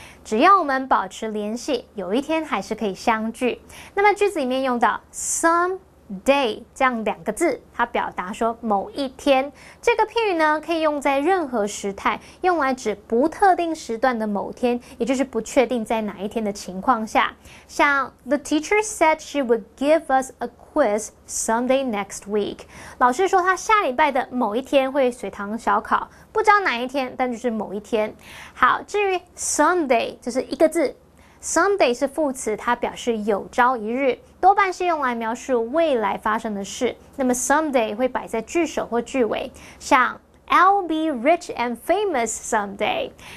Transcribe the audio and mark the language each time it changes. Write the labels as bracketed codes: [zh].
[zh] 只要我们保持联系，有一天还是可以相聚。那么句子里面用到 someday 这样两个字，它表达说某一天。这个片语呢，可以用在任何时态，用来指不特定时段的某天，也就是不确定在哪一天的情况下。像 [en] The teacher said she would give us a quiz someday next week. [zh] 老师说他下礼拜的某一天会随堂小考，不知道哪一天，但就是某一天。好，至于 someday 就是一个字。Someday 是副词，它表示有朝一日，多半是用来描述未来发生的事。那么 someday 会摆在句首或句尾，像 [en] I'll be rich and famous someday.